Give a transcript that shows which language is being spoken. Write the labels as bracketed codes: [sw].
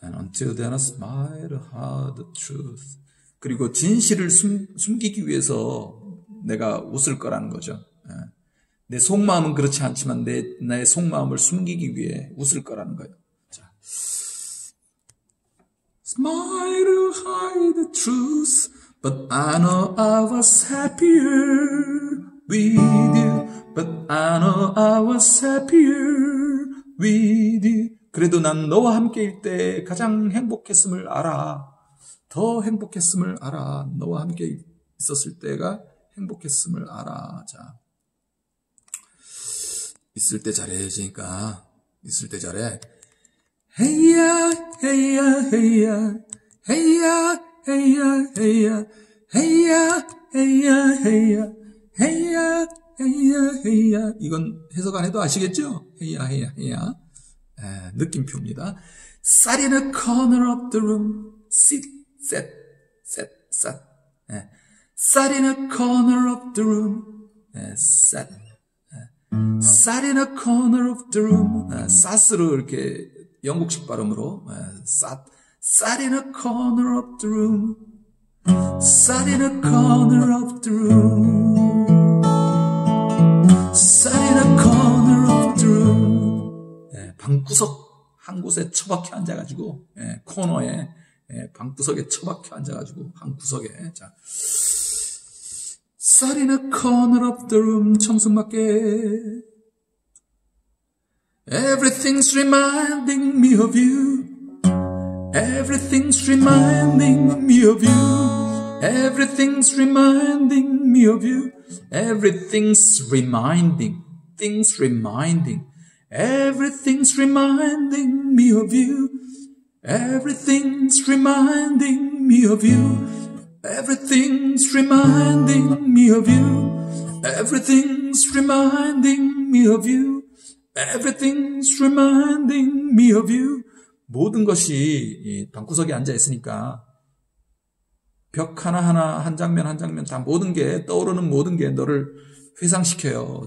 [en] Until then I smile hide the truth. [ko] 그리고 진실을 숨기기 위해서 내가 웃을 거라는 거죠. 내 속마음은 그렇지 않지만 내 속마음을 숨기기 위해 웃을 거라는 거예요. 자. [en] Smile hide the truth. But I know I was happier with you. But I know I was happier with you. [ko] 그래도 난 너와 함께일 때 가장 행복했음을 알아. 더 행복했음을 알아. 너와 함께 있었을 때가 행복했음을 알아. 자. 있을 때 잘해, 지니까. 있을 때 잘해. 헤이야, 헤이야, 헤이야. 헤이야, 헤이야, 헤이야. 헤이야, 헤이야, 헤이야. 헤이야, 헤이야, 헤이야. 이건 해석 안 해도 아시겠죠? 헤이야, 헤이야, 헤이야. 에, 느낌표입니다. [en] Sat in a corner of the room. Sit, set, set, sat. Sat in a corner of the room. Sat. Sat in a corner of the room. [ko] Sat으로 이렇게 영국식 발음으로. [en] Sat. Sat in a corner of the room. Sat in a corner of the room. Sat in a corner of the room. [ko] 방구석 한 곳에 처박혀 앉아가지고 예, 코너에 예, 방구석에 처박혀 앉아가지고 방구석에 자 [en] Sat in a corner of the room [ko] 청승맞게 [en] Everything's reminding me of you Everything's reminding me of you Everything's reminding me of you Everything's reminding Things reminding Everything's reminding me of you. Everything's reminding me of you. Everything's reminding me of you. Everything's reminding me of you. Everything's reminding me of you. [ko] 모든 것이 방구석에 앉아 있으니까 벽 하나하나 한 장면 한 장면 다 모든 게 떠오르는 모든 게 너를 회상시켜요.